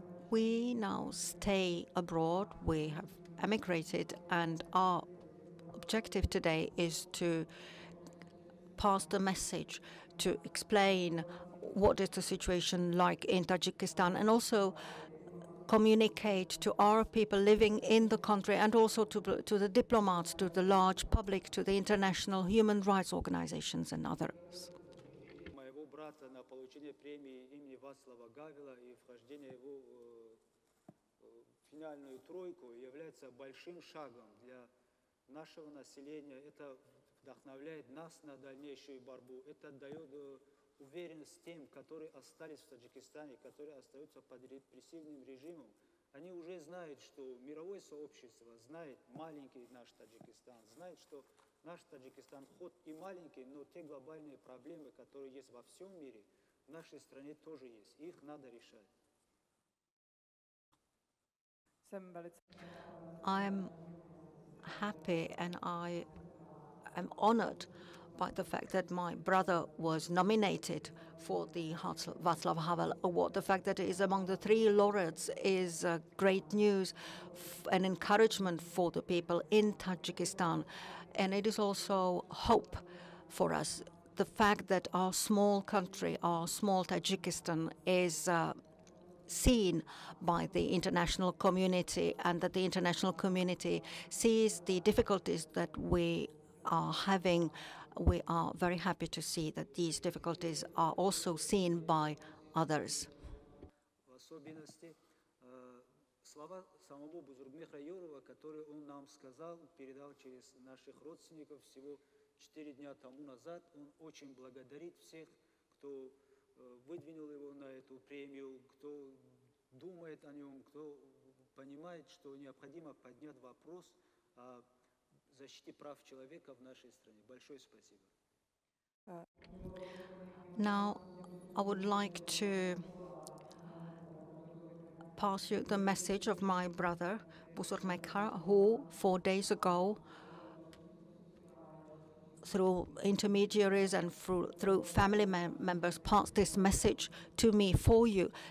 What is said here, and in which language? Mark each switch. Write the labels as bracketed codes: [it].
[en] We now stay abroad, we have emigrated, and our objective today is to pass the message, to explain what is the situation like in Tajikistan, and also communicate to our people living in the country, and also to the diplomats, to the large public, to the international human rights organizations and others. [ru] Моего брата на получение премии имени Václава Гавела и вхождение его финальную тройку является большим шагом для нашего населения. Это вдохновляет нас на дальнейшую борьбу. Это дает уверенность тем, которые остались в Таджикистане, которые остаются под репрессивным режимом. Они уже знают, что мировое сообщество знает маленький наш Таджикистан, знает, что наш Таджикистан хоть и маленький, но те глобальные проблемы, которые есть во всем мире, в нашей стране тоже есть. Их надо решать. [en] I'm happy and I am honored by the fact that my brother was nominated for the Václav Havel Award. The fact that he is among the three laureates is great news, an encouragement for the people in Tajikistan. And it is also hope for us. The fact that our small country, our small Tajikistan, is seen by the international community, and that the international community sees the difficulties that we are having. We are very happy to see that these difficulties are also seen by others. [ru] В особенности слова самого Бузургмехра Йорова, которые он нам сказал, передал через наших родственников всего 4 дня тому назад. Он очень благодарит всех, кто выдвинул его на эту премию, кто думает о нем, кто понимает, что необходимо поднять вопрос о защите прав человека в нашей стране. Большое спасибо. [en] Now, I would like to pass you the message of my brother, Buzurgmehr, who 4 days ago through intermediaries and through family members pass this message to me for you.